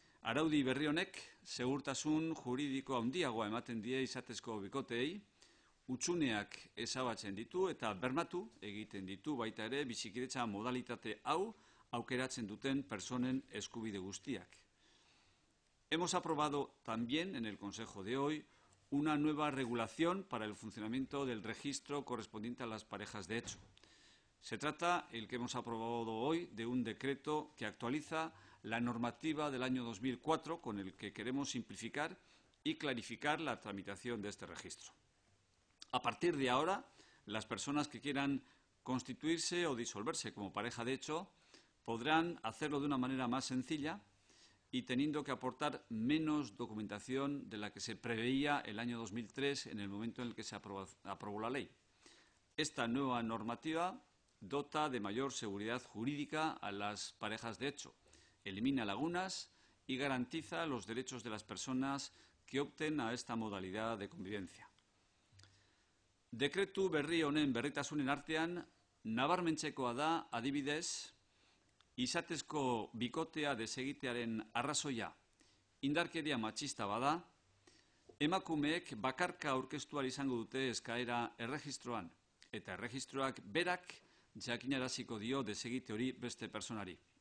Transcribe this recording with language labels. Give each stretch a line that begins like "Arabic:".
Basque: Araudi berri honek segurtasun juridiko handiagoa ematen die izatezko bikoteei, utxuneak ezabatzen ditu eta bermatu egiten ditu baita ere bizikidetza modalitate hau aukeratzen duten personen eskubide guztiak.
Spanish: Hemos aprobado también en el Consejo de hoy una nueva regulación para el funcionamiento del registro correspondiente a las parejas de hecho. Se trata, el que hemos aprobado hoy, de un decreto que actualiza la normativa del año 2004 con el que queremos simplificar y clarificar la tramitación de este registro. A partir de ahora, las personas que quieran constituirse o disolverse como pareja de hecho podrán hacerlo de una manera más sencilla y teniendo que aportar menos documentación de la que se preveía el año 2003 en el momento en el que se aprobó la ley. Esta nueva normativa dota de mayor seguridad jurídica a las parejas de hecho, elimina lagunas y garantiza los derechos de las personas que opten a esta modalidad de convivencia.
Basque: Dekretu berri honen berritasunen artean, nabarmentzekoa da adibidez, izatezko bikotea desegitearen arrazoia, indarkeria matxista bada, emakumeek bakarka aurkeztua izango dute eskaera erregistroan, eta erregistroak berak jakinaraziko dio desegite hori beste personari.